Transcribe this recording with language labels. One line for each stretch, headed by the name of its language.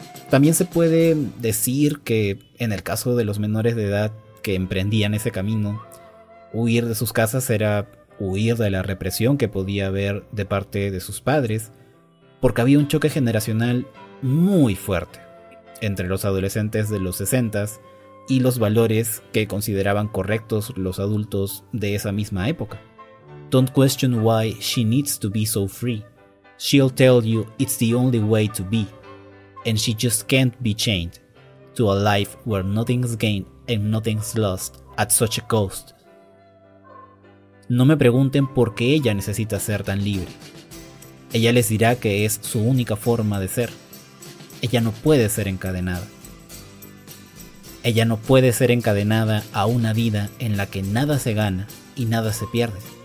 Spanish: También se puede decir que, en el caso de los menores de edad que emprendían ese camino, huir de sus casas era huir de la represión que podía haber de parte de sus padres, porque había un choque generacional muy fuerte entre los adolescentes de los 60s y los valores que consideraban correctos los adultos de esa misma época.
English: Don't question why she needs to be so free. She'll tell you it's the only way to be. And she just can't be chained to a life where nothing's gained and nothing's lost at such a cost.
Spanish: No me pregunten por qué ella necesita ser tan libre. Ella les dirá que es su única forma de ser. Ella no puede ser encadenada. Ella no puede ser encadenada a una vida en la que nada se gana y nada se pierde.